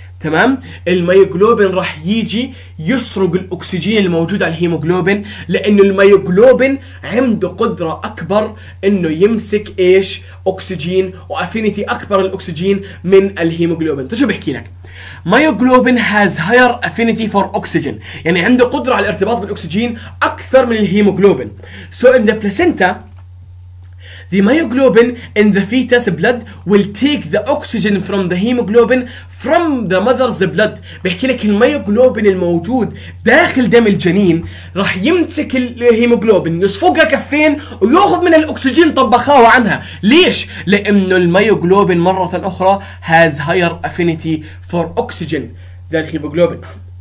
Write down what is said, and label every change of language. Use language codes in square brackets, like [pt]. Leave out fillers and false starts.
[ar] تمام؟ الميوغلوبين راح يجي يسرق الأكسجين الموجود على الهيموغلوبين، لأنه الميوغلوبين عنده قدرة أكبر إنه يمسك إيش؟ أكسجين، وأفينيتي أكبر للأكسجين من الهيموغلوبين. طيب شو بحكي لك؟ ميوغلوبين [en] has higher affinity for oxygen، [ar] يعني عنده قدرة على الارتباط بالأكسجين أكثر من الهيموغلوبين. [en] So in the placenta, the myoglobin in the fetus blood will take the oxygen from the hemoglobin from the mother's blood. [ar] بحكي لك الميوغلوبين الموجود داخل دم الجنين راح يمسك الهيموغلوبين يصفقها كفين ويأخذ من الأكسجين طبخاه عنها. ليش؟ لأنه الميوغلوبين مرة أخرى [en] has higher affinity for oxygen than hemoglobin.